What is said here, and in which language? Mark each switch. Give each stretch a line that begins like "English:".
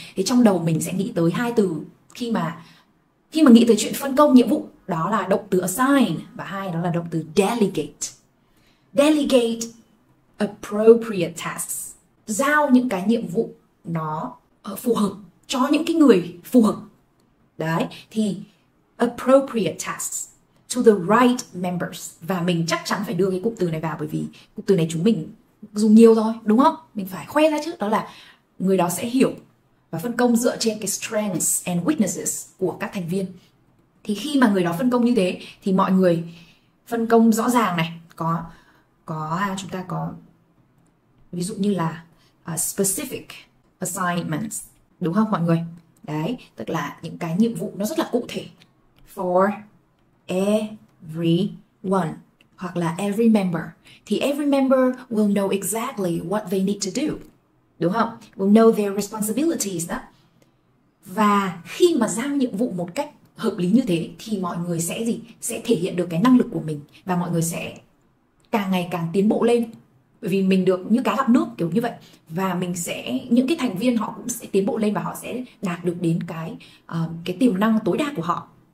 Vietnamese: Thế trong đầu mình sẽ nghĩ tới hai từ khi mà nghĩ tới chuyện phân công nhiệm vụ, đó là động từ assign và hai đó là động từ delegate.
English: Delegate appropriate tasks,
Vietnamese: giao những cái nhiệm vụ nó phù hợp cho những cái người phù hợp. Đấy, thì
English: appropriate tasks to the right members.
Vietnamese: Và mình chắc chắn phải đưa cái cụm từ này vào, bởi vì cụm từ này chúng mình dùng nhiều rồi, đúng không? Mình phải khoe ra chứ. Đó là người đó sẽ hiểu và phân công dựa trên cái strengths and weaknesses của các thành viên. Thì khi mà người đó phân công như thế thì mọi người phân công rõ ràng này, có chúng ta có ví dụ như là specific assignments, đúng không mọi người? Đấy, tức là những cái nhiệm vụ nó rất là cụ thể,
English: for everyone,
Vietnamese: hoặc là
English: every member. Thì every member will know exactly what they need to do,
Vietnamese: đúng không?
English: Will know their responsibilities
Vietnamese: đó. Và khi mà giao nhiệm vụ một cách hợp lý như thế thì mọi người sẽ gì? Sẽ thể hiện được cái năng lực của mình, và mọi người sẽ càng ngày càng tiến bộ lên. Bởi vì mình được như cá gặp nước kiểu như vậy. Và mình sẽ, những cái thành viên họ cũng sẽ tiến bộ lên và họ sẽ đạt được đến cái tiềm năng tối đa của họ.